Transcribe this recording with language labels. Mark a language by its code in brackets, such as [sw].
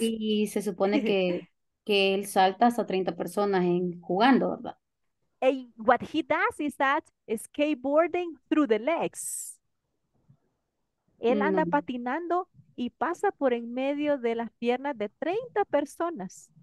[es] Y se supone que él salta hasta 30 personas en jugando, ¿verdad? [en] And what he does is that skateboarding through the legs. [es] Él anda patinando y pasa por en medio de las piernas de 30 personas.